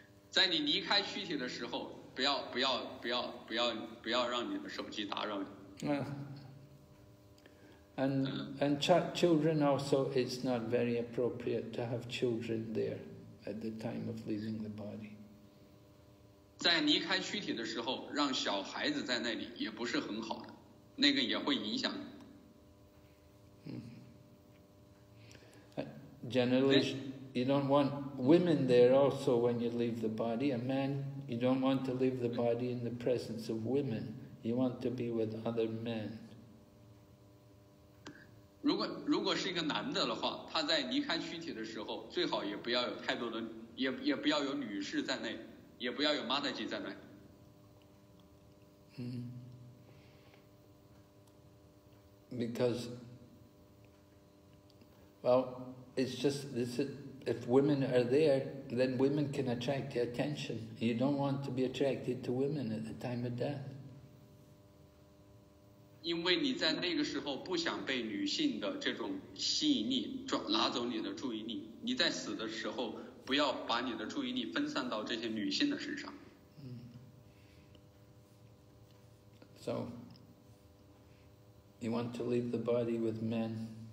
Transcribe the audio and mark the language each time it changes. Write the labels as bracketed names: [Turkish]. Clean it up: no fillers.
[Chinese] 在你离开躯体的时候，不要让你的手机打扰你。 [English] And children also, it's not very appropriate to have children there at the time of leaving the body. [Chinese] 在离开躯体的时候，让小孩子在那里也不是很好的，那个也会影响。 [English] Generally. You don't want women there also when you leave the body. A man, you don't want to leave the body in the presence of women. You want to be with other men. [Chinese] 如果是一个男的的话，他在离开躯体的时候，最好也不要有太多的，也不要有女士在内，也不要有 Mataji 在内。 [English] Because, well, it's just, this is,If women are there, then women can attract the attention. You don't want to be attracted to women at the time of death. [Chinese] 因为你在那个时候不想被女性的这种吸引力拿走你的注意力，你在死的时候不要把你的注意力分散到这些女性的身上。 [English] So, you want to leave the body with men.